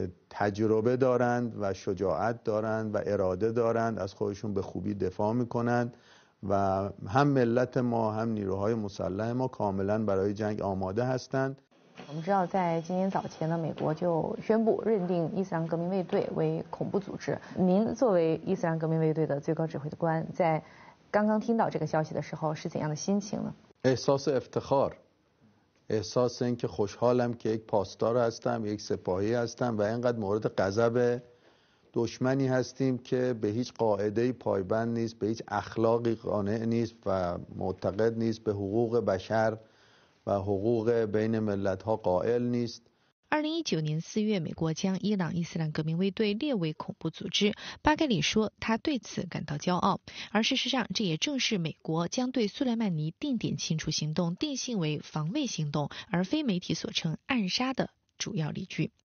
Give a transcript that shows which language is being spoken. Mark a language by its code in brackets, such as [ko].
[fa] تجربه دارند و شجاعت دارند و اراده دارند از خودشون به خوبی دفاع میکنند و هم ملت ما هم نیروهای مسلح ما کاملا برای جنگ آماده هستند. [zh] 我们知道在今天早前呢，美国就宣布认定伊斯兰革命卫队为恐怖组织。您作为伊斯兰革命卫队的最高指挥官，在刚刚听到这个消息的时候是怎样的心情呢 [fa] ？احساس افتخار، احساس اینکه خوشحالم که یک پاسدار هستم، یک سپاهی هستم و اینقدر مورد غضب دشمنی هستیم که به هیچ قاعده پایبند نیست، به هیچ اخلاقی قانع نیست و معتقد نیست به حقوق بشر و حقوق بین ملت‌ها قائل نیست. [zh] 2019年4月，美国将伊朗伊斯兰革命卫队列为恐怖组织。巴盖里说，他对此感到骄傲。而事实上，这也正是美国将对苏莱曼尼定点清除行动定性为防卫行动，而非媒体所称暗杀的主要理据。